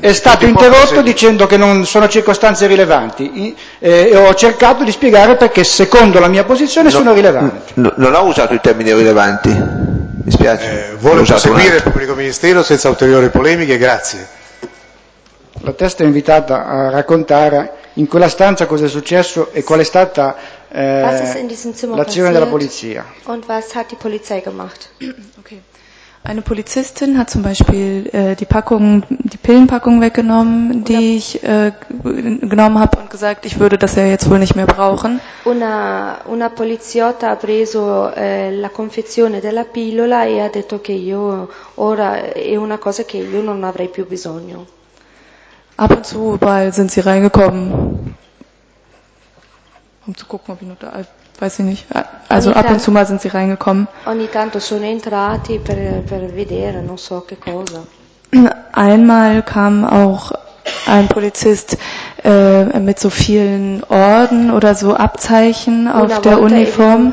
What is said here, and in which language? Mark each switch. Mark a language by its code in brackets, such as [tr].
[it] È stato interrotto dicendo che non sono circostanze rilevanti e ho cercato di spiegare perché secondo la mia posizione sono rilevanti. Non ho usato i termini rilevanti, mi spiace. Vuole proseguire il pubblico ministero senza ulteriori polemiche, grazie. La testa è invitata a raccontare in quella stanza cosa è successo e qual è stata [de] Was ist in diesem Zimmer [it] l'azione della polizia. [de] Und was hat die Polizei gemacht? Okay. Eine Polizistin hat zum Beispiel die Pillenpackung weggenommen, die ich genommen habe und gesagt, ich würde das ja jetzt wohl nicht mehr brauchen. [it] Una poliziotta ha preso la confezione della pillola e ha detto che io ora è una cosa che io non avrei più bisogno. [de] Ab und zu mal sind sie reingekommen. Um zu gucken, ob ich noch da, weiß ich nicht. Also ab und zu mal sind sie reingekommen. [it] Ogni tanto sono entrati per vedere, non so che cosa. [de] Einmal kam auch ein Polizist mit so vielen Orden oder so Abzeichen auf der Uniform.